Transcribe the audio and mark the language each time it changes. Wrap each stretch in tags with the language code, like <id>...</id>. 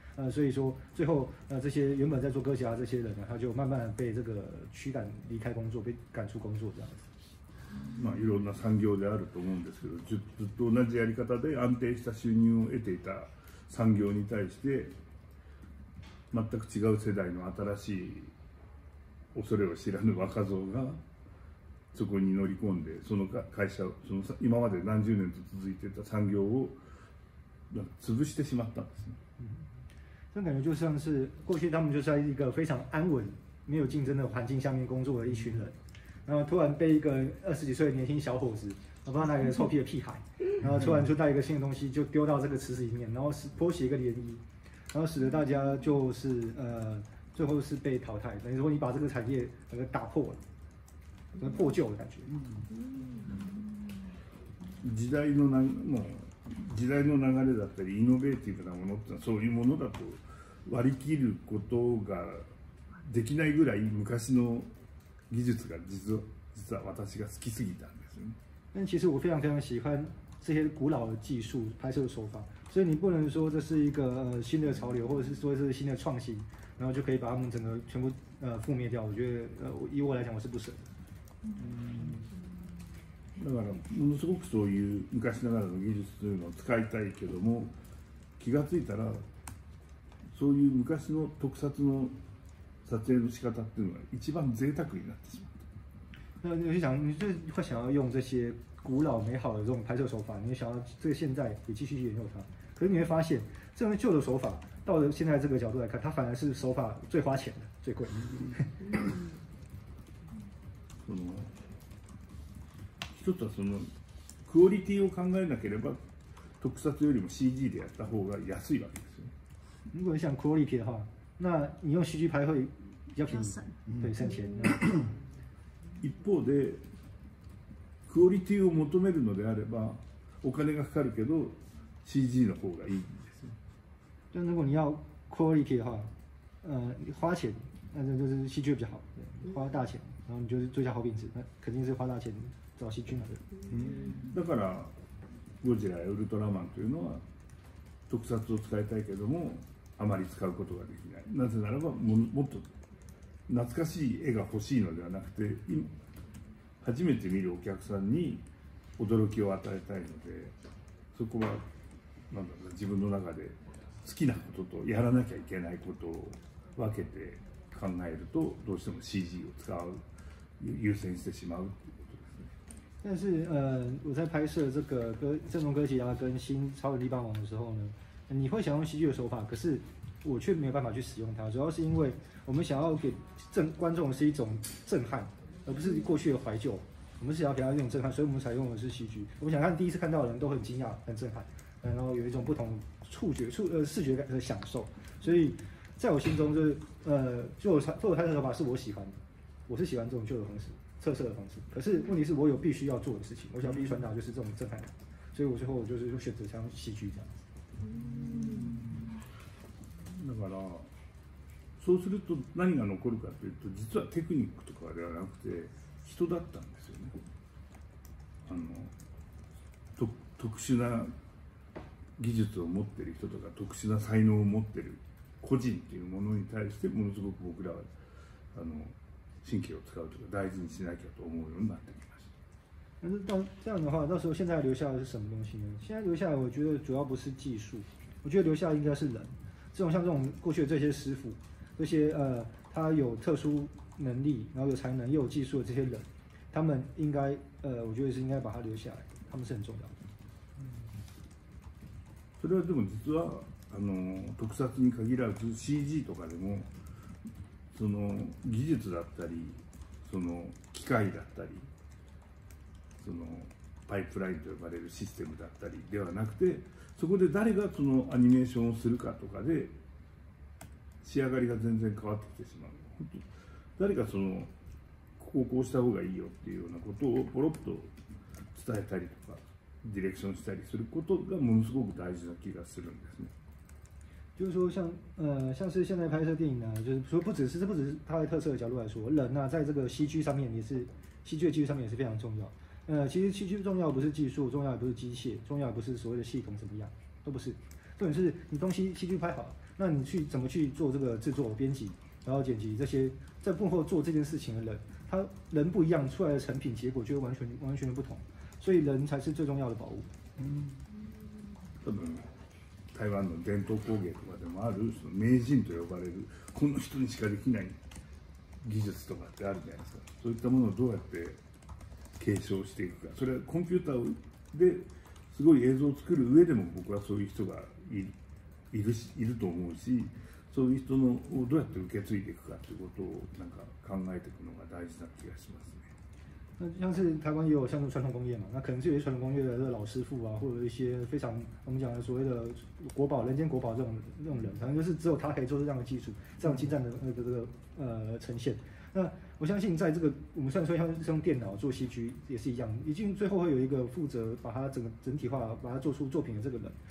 <zh>所以说最后这些原本在做哥吉拉这些人呢，他就慢慢被这个驱赶离开工作，被赶出工作这样子。</zh> <ja>まあ、いろんな産業であると思うんですけど、ずっと同じやり方で安定した収入を得ていた産業に対して全く違う世代の新しい恐れを知らぬ若造がそこに乗り込んで、その会社、その今まで何十年と続いていた産業を潰してしまったんですね。そう感じ、</ja> <zh>就像是过去他们就是在一个非常安稳、没有竞争的环境下面工作的一群人。然后突然被一个二十几岁的年轻小伙子，我不知道哪个臭屁的屁孩，然后突然就带一个新的东西就丢到这个池子里面，然后是泼起一个涟漪，然后使得大家就是最后是被淘汰，等于说你把这个产业整个打破了，破旧的感觉。</zh> <ja>時代の流もう時代の流れだったりイノベーティブなものってそういうものだと割り切ることができないぐらい昔の技術が実は私が好きすぎたんですね。</ja> <zh>但其实我非常非常喜欢这些古老的技术拍摄的手法，所以你不能说这是一个新的潮流，或者是说是新的创新，然后就可以把它们整个全部覆灭掉。我觉得以我来讲，我是不舍的。</zh> <ja>だからものすごくそういう昔ながらの技術というのを使いたいけども、気がついたらそういう昔の特撮の撮影の仕方っていうのは一番贅沢になってしまった。</ja> <zh>那你就想，你就会想要用这些古老美好的这种拍摄手法，你想要这个现在也继续去研究它。可是你会发现，这种旧的手法到了现在这个角度来看，它反而是手法最花钱的、最贵。</zh> <ja>その一つはそのクオリティを考えなければ、特撮よりも CG でやった方が安いわけですよ。</ja> <zh>如果你想クオリティ的话。那你用 CG 拍会比较便宜，对，省钱。</zh> <ja>一方でクオリティを求めるのであればお金がかかるけど CG の方がいいんですよ。</ja> <zh>就如果你要 quality 的话，花钱，那就是 CG 比较好，花大钱，然后你就是做一下好品质，那肯定是花大钱找 CG 嘛。</zh> <ja>だからゴジラやウルトラマンというのは特撮を使いたいけども。あまり使うことができない。なぜならば もっと懐かしい絵が欲しいのではなくて、初めて見るお客さんに驚きを与えたいので、そこはなんだろう自分の中で好きなこととやらなきゃいけないことを分けて考えると、どうしても CG を使う優先してしまうということですね。</ja> <zh>但是、我在拍摄这个《正龙哥吉拉》跟《新超人力霸王》的时候呢。你会想用 CG 的手法，可是我却没有办法去使用它，主要是因为我们想要给观众是一种震撼，而不是过去的怀旧。我们是想要给他一种震撼，所以我们采用的是 CG。我们想让第一次看到的人都很惊讶、很震撼，然后有一种不同视觉感的享受。所以在我心中，就是做拍摄手法是我喜欢的，我是喜欢这种旧的方式、特色的方式。可是问题是我有必须要做的事情，我想要必须传达就是这种震撼感，所以我最后我就是选择像 CG 这样。</zh> <ja>だからそうすると何が残るかというと実はテクニックとかではなくて人だったんですよね。特殊な技術を持ってる人とか特殊な才能を持ってる個人っていうものに対してものすごく僕らは神経を使うとか大事にしなきゃと思うようになってきました。</ja> <zh>但是到这样的话，到时候现在留下来是什么东西呢？现在留下来，我觉得主要不是技术，我觉得留下来应该是人。这种像这种过去的这些师傅，这些他有特殊能力，然后有才能又有技术的这些人，他们应该我觉得是应该把他留下来，他们是很重要的。</zh> <ja>それはでも実はあの特撮に限らず CG とかでもその技術だったりその機械だったりそのパイプラインと呼ばれるシステムだったりではなくてそこで誰がそのアニメーションをするかとかで仕上がりが全然変わってきてしまう。誰かそのここをこうした方がいいよっていうようなことをポロッと伝えたりとか。ディレクションしたりすることがものすごく大事な気がするんですね。</ja> <zh>就是说像像是现在拍摄电影呢，就是说不只是它的特色的角度来说，人呢、啊、在这个 CG 上面也是 CG 的技术上面也是非常重要。其实 CG 重要不是技术，重要也不是机械，重要也不是所谓的系统怎么样，都不是。重点是你东西 CG 拍好，那你去怎么去做这个制作、编辑，然后剪辑这些在幕后做这件事情的人，他人不一样，出来的成品结果就会完全的不同。所以人才是最重要的宝物。嗯，</zh> <ja>多分台湾の伝統工芸とかでもあるその名人と呼ばれるこの人にしかできない技術とかってあるじゃないですか。そういったものをどうやって継承していくか。それはコンピューターですごい映像を作る上でも僕はそういう人がいると思うし、そういう人のをどうやって受け継いでいくかっていうことをなんか考えていくのが大事な気がします。</ja> <zh>那像是台湾也有像传统工业嘛，那可能是有些传统工业的老师傅啊，或者一些非常我们讲的所谓的国宝、人间国宝这种人，反正就是只有他可以做这样的技术，这样精湛的这个呈现。那我相信，在这个我们虽然说像用电脑做 CG 也是一样，一定最后会有一个负责把它整体化，把它做出作品的这个人。</zh>